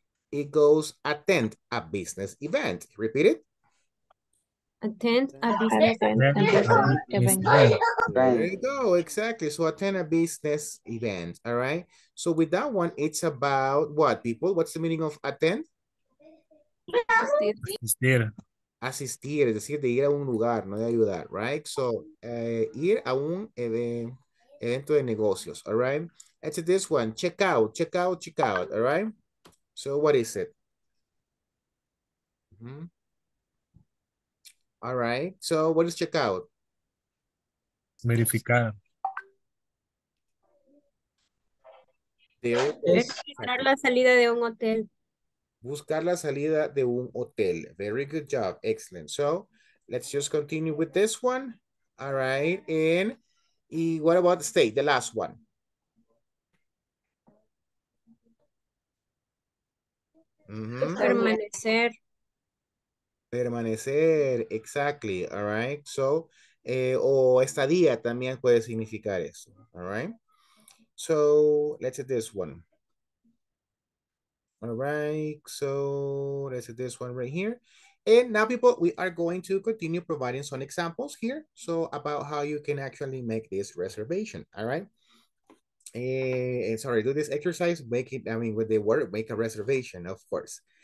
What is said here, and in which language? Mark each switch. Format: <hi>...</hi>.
<en>It goes attend a business event. Repeat it. Attend a business event. There you go, exactly. So attend a business event, all right? So with that one, it's about what, people? What's the meaning of attend?</en> <es>Asistir. Asistir, es decir, de ir a un lugar, no de ayudar, right? So ir a un evento de negocios,</es> <en>all right? It's this one, check out, check out, check out, all right? So what is it? Mm-hmm. All right, so what is check out?</en> <es>Verificar.</es> <en>There</en> <es>is. Buscar la salida de un hotel. Buscar la salida de un hotel.</es> <en>Very good job, excellent. So let's just continue with this one. All right, and y what about the state, the last one? Mm-hmm.</en> <es>Permanecer. Permanecer,</es> <en>exactly, all right.</en> <es>So, o estadía también puede significar eso,</es> <en>all right. So, let's see this one. All right, so let's see this one right here. And now, people, we are going to continue providing some examples here. So, about how you can actually make this reservation, all right. Sorry, do this exercise, with the word, make a reservation, of course.</en>